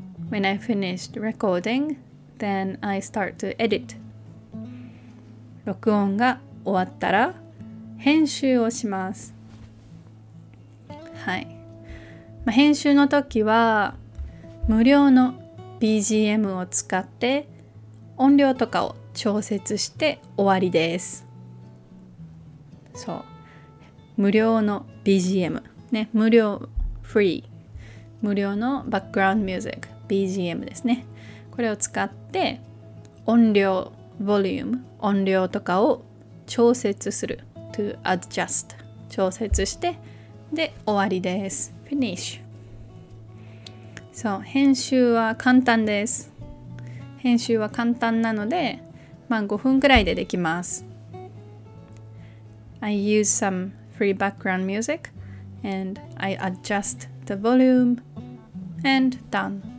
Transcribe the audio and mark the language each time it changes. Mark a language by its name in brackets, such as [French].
[English] When I finished recording, then I start to edit. [Japanese] 録音が終わったら編集をします。はい。まあ、編集の時は無料の BGM を使って音量とかを調節して終わりです。そう。無料の BGM。ね、無料、free。無料のバックグラウンドミュージック、BGM ですね。これを使って音量、ボリューム、音量とかを調節する。 [English] to adjust。 [Japanese] 調節して、で、終わりです。 finish。 そう、編集は簡単です。編集は簡単なので、まあ5分くらいでできます。 [English] I use some free background music and I adjust the volume and done.